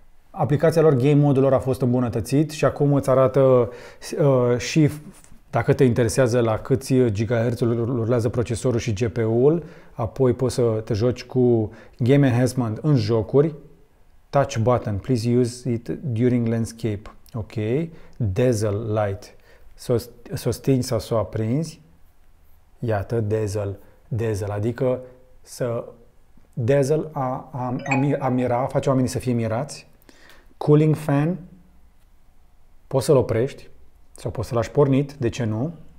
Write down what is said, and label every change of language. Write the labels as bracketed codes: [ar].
[ro] Aplicația lor, game modul lor a fost îmbunătățit și acum îți arată și dacă te interesează la câți GHz rulează procesorul și GPU-ul, apoi poți să te joci cu Game Enhancement în jocuri. [en] Touch button, please use it during landscape. [ro] Ok, Dazzle Light, s-o stingi sau s-o aprinzi, iată, Dazzle, adică să Dazzle, a mira, face oamenii să fie mirați. Cooling Fan, poți să-l oprești sau poți să-l lași pornit, de ce nu?